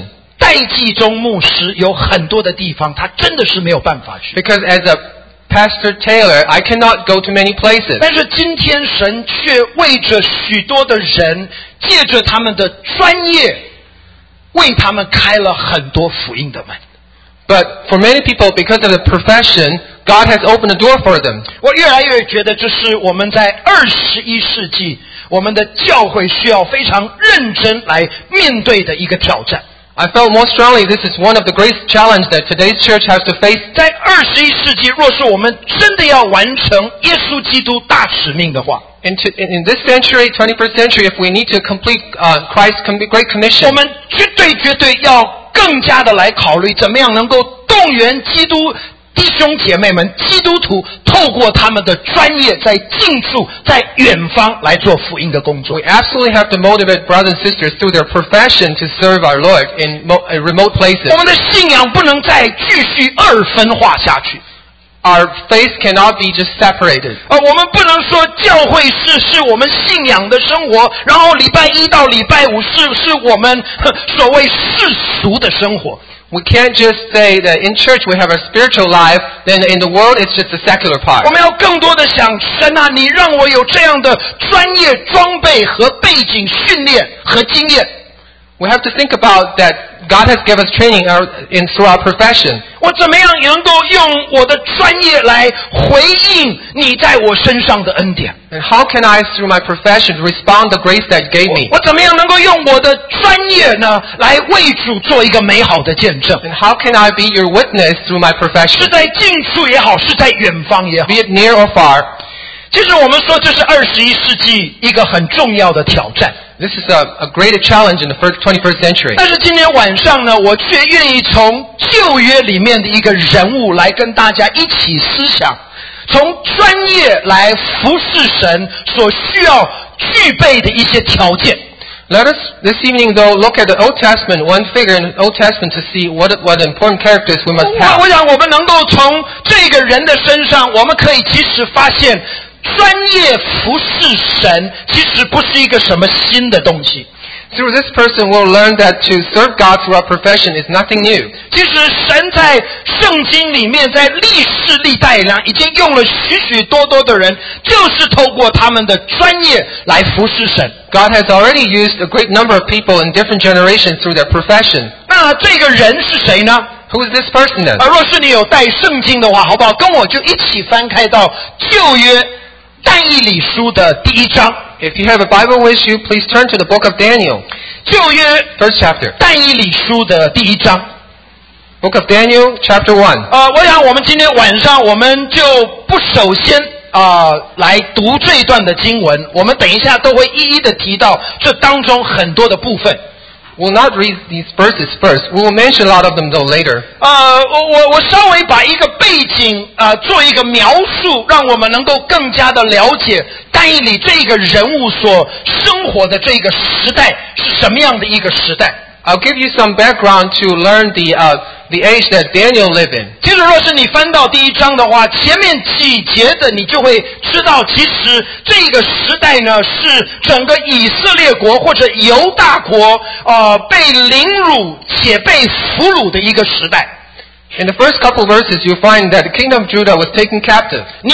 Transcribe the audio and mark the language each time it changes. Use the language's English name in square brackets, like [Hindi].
[Chinese] 因为代祭中牧师有很多的地方他真的是没有办法去。 [English] Because as a Pastor Taylor, I cannot go to many places. [Chinese] 但是今天神却为着许多的人借着他们的专业为他们开了很多福音的门。 [English] But for many people, because of the profession, God has opened the door for them. [Chinese] 我越来越觉得这是我们在21世纪我们的教会需要非常认真来面对的一个挑战。 [English] I felt more strongly this is one of the greatest challenges that today's church has to face. [Chinese] 在21世纪若是我们真的要完成耶稣基督大使命的话 [English] In this century, 21st century, if we need to complete Christ's Great Commission, [Chinese] 我们绝对绝对要更加的来考虑怎么样能够动员基督弟兄姐妹们基督徒透过他们的专业在近处在远方来做福音的工作 [English] We absolutely have to motivate brothers and sisters through their profession to serve our Lord in remote places [Chinese] 我们的信仰不能再继续二分化下去 [English] Our faith cannot be just separated [Chinese] 我们不能说教会是我们信仰的生活然后礼拜一到礼拜五是我们所谓世俗的生活 [English] We can't just say that in church we have a spiritual life, then in the world it's just a secular part. [Chinese] 我们要更多的想神啊，你让我有这样的专业装备和背景训练和经验。 [English] We have to think about that God has given us training through our profession. [Chinese] 我怎么样能够用我的专业来回应你在我身上的恩典？ [English] And how can I, through my profession, respond the grace that gave me? [Chinese] 我怎么样能够用我的专业呢，来为主做一个美好的见证？ [English] And how can I be your witness through my profession? [Chinese] 是在近处也好，是在远方也好。 [English] Be it near or far. [Chinese] 其实我们说这是21世纪一个很重要的挑战。 [English] This is a great challenge in the 21st century. [Chinese] 但是今天晚上呢，我却愿意从旧约里面的一个人物来跟大家一起思想，从专业来服侍神所需要具备的一些条件。 [English] Let us this evening though look at the Old Testament, one figure in the Old Testament to see what important characters we must have. [Chinese] 我想我们能够从这个人的身上，我们可以及时发现。专业服侍神其实不是一个什么新的东西。 [English] Through this person, we'll learn that to serve God through our profession is nothing new. [Chinese] 其实神在圣经里面，在历世历代呢，已经用了许许多多的人，就是透过他们的专业来服侍神。 [English] God has already used a great number of people in different generations through their profession. [Chinese] 那这个人是谁呢？ [English] Who is this person then? [Chinese] 若是你有带圣经的话, 好不好, 跟我就一起翻开到 旧约 但以理书的第一章。 [English] If you have a Bible with you, please turn to the book of Daniel. [Chinese] 旧约 [English] First chapter. [Chinese] 但以理书的第一章。 [English] Book of Daniel, chapter 1. [Chinese] 我想我们今天晚上我们就不首先 来读这一段的经文, 我们等一下都会一一的提到这当中很多的部分。 [English] We'll not read these verses first. We will mention a lot of them though later. [Chinese] 我稍微把一个背景 做一个描述, 让我们能够更加的了解丹以理这个人物所生活的这个时代是什么样的一个时代。 [English] I'll give you some background to learn the age that Daniel lived in. [Chinese] 其实若是你翻到第一章的话, 前面几节的你就会知道其实这个时代呢是整个以色列国或者犹大国 被凌辱且被俘虏的一个时代。 [English] In the first couple of verses, you find that the kingdom of Judah was taken captive.